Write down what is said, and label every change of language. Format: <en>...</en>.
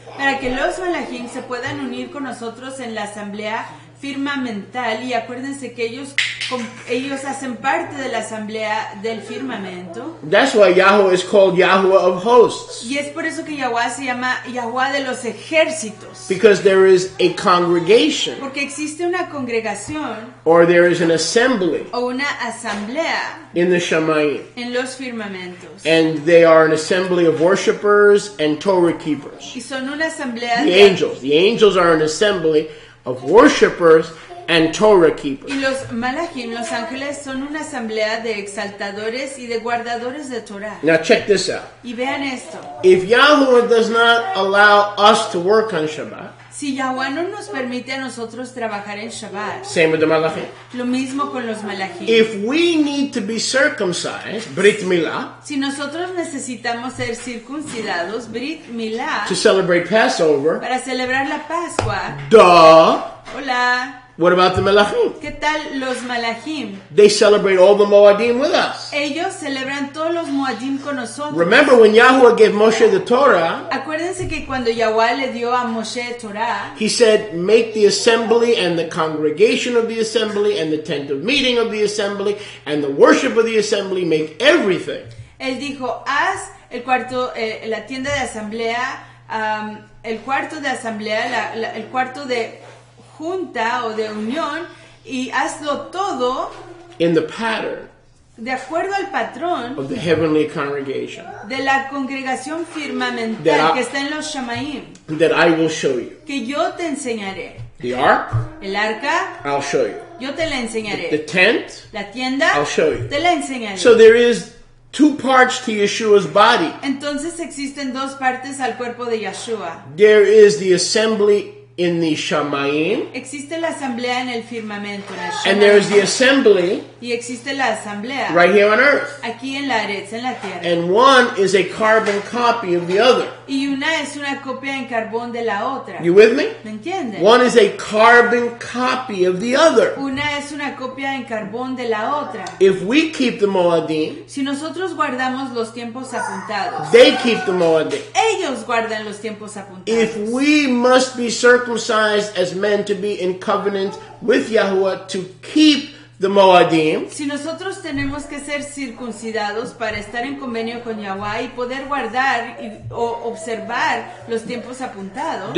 <es>Para que los malachim se puedan unir con nosotros en la asamblea firmamental. Y acuérdense que ellos hacen parte de la asamblea del firmamento.</es> <en>That's why Yahweh is called Yahweh of hosts.</en> <es>Y es por eso que Yahweh se llama Yahweh de los ejércitos.</es> <en>Because there is a congregation.</en> <es>Porque existe una congregación.</es> <en>Or there is an assembly.</en> <es>O una asamblea.</es> <en>In the Shamayim.</en> <es>En los firmamentos.</es> <en>And they are an assembly of worshipers and Torah keepers.</en> <es>Y son una asamblea de angels.</es> <en>The angels are an assembly of worshipers and Torah keepers.</en> <es>Y los malachim, los ángeles, son una asamblea de exaltadores y de guardadores de Torah.</es> <en>Now check this out.</en> <es>Y vean esto.</es> <en>If Yahuwah does not allow us to work on Shabbat,</en> <es>si Yahuwah no nos permite a nosotros trabajar en Shabbat,</es> <en>same with the malachim.</en> <es>Lo mismo con los malachim.</es> <en>If we need to be circumcised, Brit Milah,</en> <es>si nosotros necesitamos ser circuncidados, Brit Milah,</es> <en>to celebrate Passover,</en> <es>para celebrar la Pascua,</es> <en>duh,</en> <es>hola,</es> <en>what about the Melachim?</en> <es>¿Qué tal los Melachim?</es> <en>They celebrate all the Moadim with us.</en> <es>Ellos celebran todos los Moadim con nosotros.</es> <en>Remember when Yahuwah gave Moshe the Torah?</en> <es>Acuérdense que cuando Yahuwah le dio a Moshe Torah,</es> <en>he said, make the assembly and the congregation of the assembly and the tent of meeting of the assembly and the worship of the assembly, make everything.</en> <es>Él dijo, haz el cuarto, la tienda de asamblea, el cuarto de asamblea, el cuarto de junta o de unión, y hazlo todo</es> <en>in the pattern</en> <es>de acuerdo al patrón</es> <en>of the heavenly congregation</en> <es>de la congregación firmamental que está en los Shamaim</es> <en>that I will show you</en> <es>que yo te enseñaré</es> <en>the ark</en> <es>el arca</es> <en>I'll show you</en> <es>yo te la enseñaré</es> <en>the tent</en> <es>la tienda</es> <en>I'll show you</en> <es>te la enseñaré</es> <en>so there is two parts to Yeshua's body</en> <es>entonces existen dos partes al cuerpo de Yeshua</es> <en>there is the assembly in the Shamayim.</en> <es>Existe la asamblea en el firmamento.</es> <en>And there is the assembly.</en> <es>Y existe la asamblea.</es> <en>Right here on earth.</en> <es>Aquí en la arets, en la tierra.</es> <en>And one is a carbon copy of the other.</en> <es>Y una es una copia en carbón de la otra.</es> <en>You with me?</en> <es>¿Me entiendes?</es> <en>One is a carbon copy of the other.</en> <es>Una es una copia en carbón de la otra.</es> <en>If we keep the Moadim.</en> <es>Si nosotros guardamos los tiempos apuntados.</es> <en>They keep the Moadim.</en> <es>Ellos guardan los tiempos apuntados.</es> <en>If we must be circumcised as men to be in covenant with Yahuwah to keep the Moadim.</en> <es>Si nosotros tenemos que ser circuncidados para estar en convenio con Yahuwah y poder guardar y, o observar los tiempos apuntados.</es>